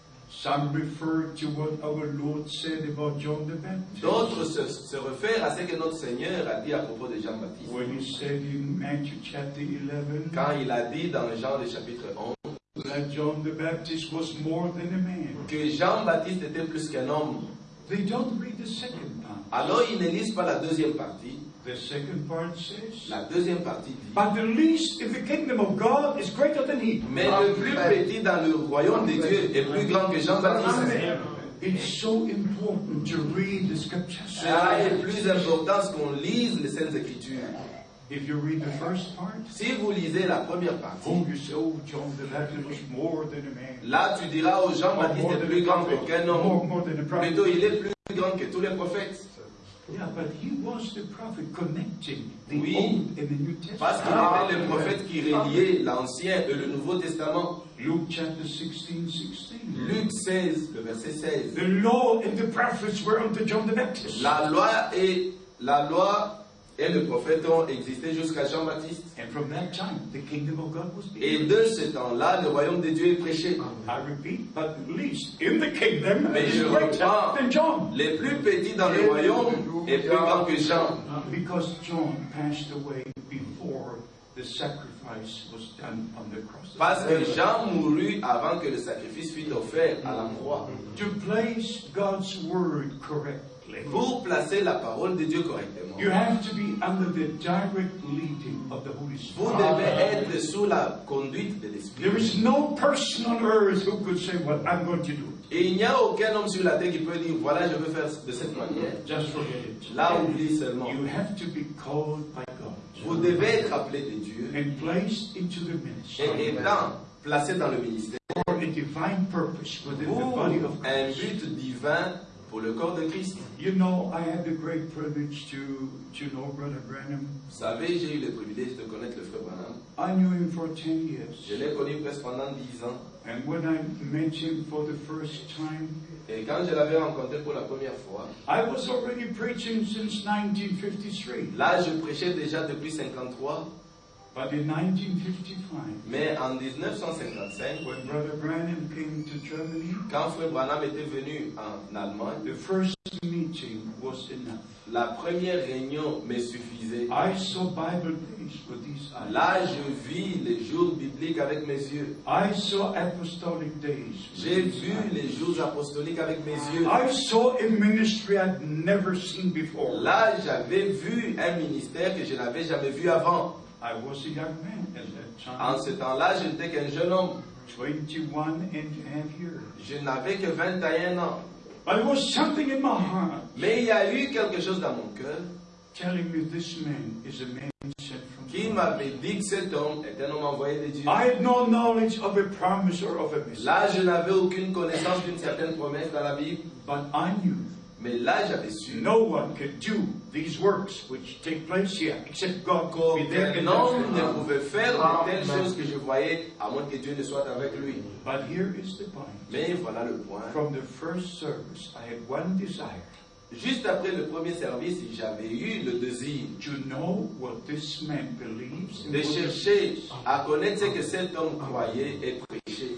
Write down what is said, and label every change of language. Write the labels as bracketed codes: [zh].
[en] Some refer to what our Lord said about John the Baptist. [fr] D'autres se réfèrent à ce que notre Seigneur a dit à propos de Jean-Baptiste. [en] When he said in Matthew chapter 11. [fr] Quand il a dit dans Jean le chapitre 11. [en] That John the Baptist was more than a man. [fr] Que Jean-Baptiste était plus qu'un homme. [en] They don't read the second part. [fr] Alors ils ne lisent pas la deuxième partie. [en] The second part says. [fr] La deuxième partie dit. [en] But the least in the kingdom of God is greater than he. [fr] Mais le plus petit dans le royaume de Dieu est plus grand que Jean-Baptiste. [en] It's so important to read the scriptures. [fr] Cela est plus important qu'on lise les saintes écritures. [en] If you read the first part, [fr] si vous lisez la première partie, [en] oh, you say, oh, John the Baptist was more than a man. [fr] Là, tu diras aux gens, Baptiste est plus grand qu'aucun homme. Plutôt, il est plus grand que tous les prophètes. [en] Yeah, but he was the prophet connecting the [fr] oui, [en] Old and the New Testament. [fr] Parce qu'il était le prophète qui reliait l'Ancien et le Nouveau Testament. [en] Luke chapter 16:16. [fr] Luke 16, le verset 16. [en] The law and the prophets were unto John the Baptist. [fr] La loi et La loi et le prophète ont existé jusqu'à Jean-Baptiste. [en] And from that time, the kingdom of God was being. [fr] Et de ce temps-là, le royaume de Dieu est prêché. [en] I repeat, but the least in the kingdom. [fr] Mais je reprends. Les plus petits dans le royaume est plus grand que Jean. [en] Because John passed away before the sacrifice was done on the cross. [fr] Parce que Jean mourut avant que le sacrifice fût offert à la croix. [en] To place God's word correctly. [fr] Pour placer la parole de Dieu correctement. [en] You have to be under the direct leading of the Holy Spirit. [fr] Vous devez être sous la conduite de l'Esprit. [en] There is no person on earth who could say what I'm going to do. [fr] Et il n'y a aucun homme sur la terre qui peut dire voilà je veux faire de cette manière. [en] Just forget it. [fr] Là oublie seulement. [en] You have to be called by God. [fr] Vous devez être appelé de Dieu. [en] And placed into the ministry. [fr] Et étant placé dans le ministère. [en] For a divine purpose within the body of Christ. [fr] Un but divin. Pour le corps de Christ. [en] You know, I had the great privilege to know Brother Branham. [fr] Vous savez, j'ai eu le privilège de connaître le frère Branham. [en] I knew him for 10 years. [fr] Je l'ai connu presque pendant 10 ans. [en] And when I met him for the first time, [fr] et quand je l'avais rencontré pour la première fois, [en] I was already preaching since 1953. [fr] Là, je prêchais déjà depuis 1953. [en] But in 1955, [fr] mais en 1955, [en] when Brother Branham came to Germany, [fr] quand Frère Branham était venu en Allemagne, [en] the first meeting was enough. [fr] La première réunion me suffisait. [en] I saw Bible days with these eyes. [fr] Là, je vis les jours bibliques avec mes yeux. [en] I saw apostolic days. [fr] J'ai vu les jours apostoliques avec mes yeux. [en] I saw a ministry I'd never seen before. [fr] Là, j'avais vu un ministère que je n'avais jamais vu avant. [en] I was a young man at that time. [fr] En ce temps-là, je n'étais qu'un jeune homme. [en] 21 and a half years. [fr] Je n'avais que 21 ans. [en] But it was something in my heart. [fr] Mais il y a eu quelque chose dans mon cœur. [en] Telling me this man is a man sent from God. [fr] Qui m'avait dit que cet homme était un homme envoyé de Dieu. [en] I had no knowledge of a promise or of a message. [fr] Là, je n'avais aucune connaissance d'une certaine promesse dans la Bible. [en] But I knew. [fr] Mais là, j'avais su. [en] No one could do these works which take place here except God. [fr] Ne pouvait faire de telles choses que je voyais à moins que Dieu ne soit avec lui. [en] But here is the point. [fr] Mais voilà le point. [en] From the first service, I had one desire. [fr] Juste après le premier service, j'avais eu le désir. [en] To know what this man believes. [fr] De chercher à connaître ce que cet homme croyait et prêchait.